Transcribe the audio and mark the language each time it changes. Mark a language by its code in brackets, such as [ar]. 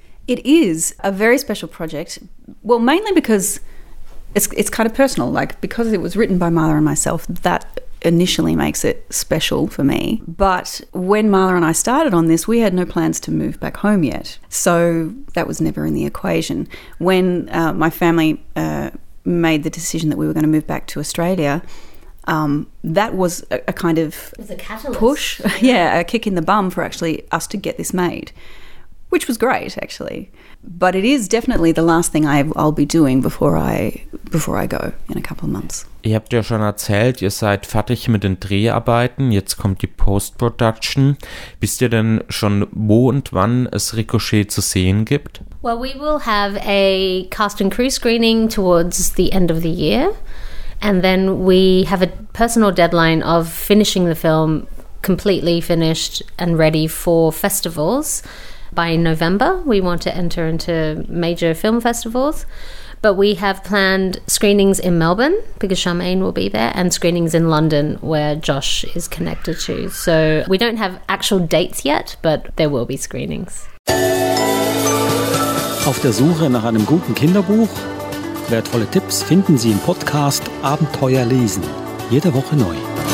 [en] It is a very special project. Well, mainly because it's kind of personal, like because it was written by Mala and myself, that initially makes it special for me. But when Mala and I started on this, we had no plans to move back home yet. So that was never in the equation. When my family made the decision that we were going to move back to Australia, that was a kind of push. Yeah, a kick in the bum for actually us to get this made, which was great, actually. But it is definitely the last thing I'll be doing before I go in a couple of months. [de] Ihr habt ja schon erzählt, ihr seid fertig mit den Dreharbeiten, jetzt kommt die Post-Production. Wisst ihr denn schon, wo und wann es Ricochet zu sehen gibt? [en] Well, we will have a cast and crew screening towards the end of the year. And then we have a personal deadline of finishing the film, completely finished and ready for festivals. by November. We want to enter into major film festivals. But we have planned screenings in Melbourne, because Charmaine will be there, and screenings in London, where Josh is connected to. So we don't have actual dates yet, but there will be screenings. [de] Auf der Suche nach einem guten Kinderbuch? Wertvolle Tipps finden Sie im Podcast Abenteuer lesen. Jede Woche neu.